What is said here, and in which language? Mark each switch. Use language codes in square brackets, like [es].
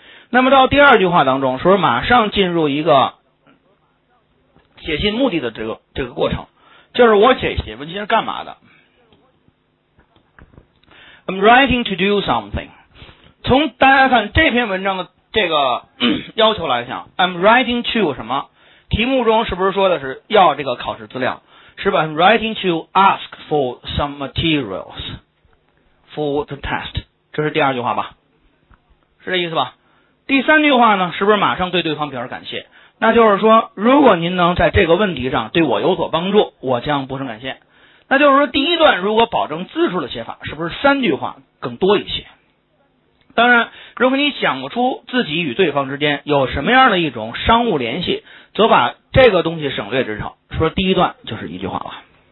[zh] 那么到第二句话当中，说马上进入一个写信目的的这个过程，就是我写文件是干嘛的？ [en] I'm writing to do something。 [zh] 从大家看这篇文章的这个要求来讲， [en] I'm writing to [zh] 什么？题目中是不是说的是要这个考试资料？是吧？ [en] I'm writing to ask for some materials for the test， [zh] 这是第二句话吧？是这意思吧？第三句话呢，是不是马上对对方表示感谢？那就是说，如果您能在这个问题上对我有所帮助，我将不胜感谢。那就是说，第一段如果保证字数的写法，是不是三句话更多一些？当然，如果你想不出自己与对方之间有什么样的一种商务联系，则把这个东西省略之后，说第一段就是一句话了。